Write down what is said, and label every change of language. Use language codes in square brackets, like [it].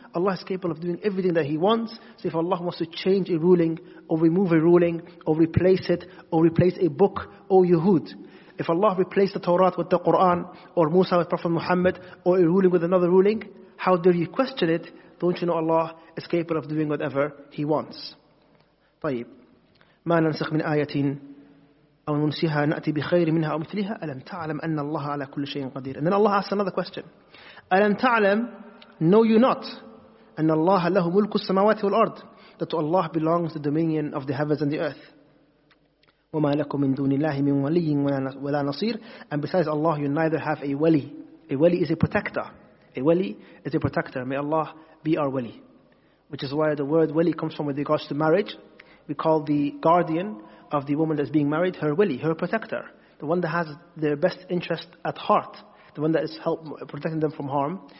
[en] Allah is capable of doing everything that He wants. So if Allah wants to change a ruling, or remove a ruling, or replace it, or replace a book, O Yahud, if Allah replaced the Torah with the Quran, or Musa with Prophet Muhammad, or a ruling with another ruling, how dare you question it? Don't you know Allah is capable of doing whatever He wants? [ar] طيب ما ننسخ من آية أو ننسيها نأتي بخير منها أو مثلها ألم تعلم أن الله على كل شيء قدير. [en] And then Allah asks another question. [ar] ألم تعلم, [en] know you not, [ar] أن الله له ملك السماوات والأرض, [en] that to Allah belongs the dominion of the heavens and the earth. [ar] وما لكم من دون الله من ولي ولا نصير. [en] And besides Allah, you neither have a wali. A wali is a protector. A wali is a protector. May Allah be our wali. Which is why the word wali comes from with regards to marriage. We call the guardian of the woman that's being married her wali, her protector. The one that has their best interest at heart. The one that is help protecting them from harm.